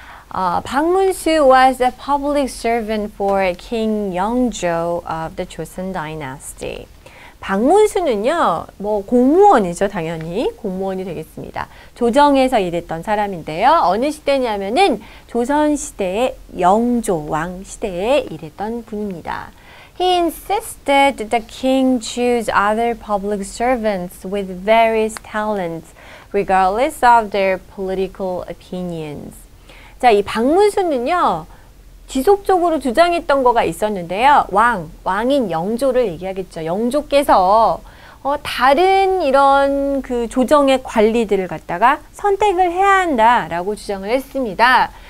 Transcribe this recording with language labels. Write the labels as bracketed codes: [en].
[en] 방문수 was a public servant for King Yeongjo of the Joseon Dynasty. [ko] 방문수는요, 뭐 공무원이죠, 당연히 공무원이 되겠습니다. 조정에서 일했던 사람인데요, 어느 시대냐면은 조선 시대의 영조 왕 시대에 일했던 분입니다. [en] He insisted that the king choose other public servants with various talents, regardless of their political opinions. [ko] 자, 이 방문수는요, 지속적으로 주장했던 거가 있었는데요. 왕인 영조를 얘기하겠죠. 영조께서 다른 이런 그 조정의 관리들을 갖다가 선택을 해야 한다라고 주장을 했습니다.